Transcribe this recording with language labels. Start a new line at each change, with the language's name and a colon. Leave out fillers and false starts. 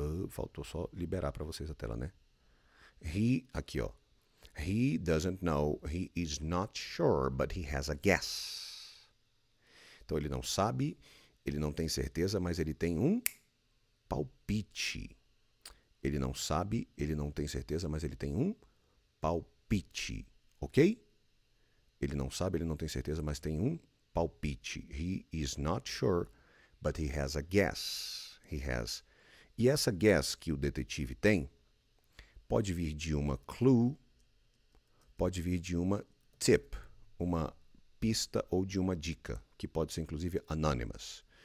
Portuguese: Faltou só liberar para vocês a tela, né? Aqui, ó.
English: He doesn't know, he is not sure, but he has a guess.
Portuguese: Então, ele não sabe, ele não tem certeza, mas ele tem um palpite. Ele não sabe, ele não tem certeza, mas ele tem um palpite, ok? Ele não sabe, ele não tem certeza, mas tem um palpite.
English: He is not sure, but he has a guess. He has.
Portuguese: E essa guess que o detetive tem pode vir de uma clue, pode vir de uma tip, uma pista ou de uma dica, que pode ser inclusive anonymous.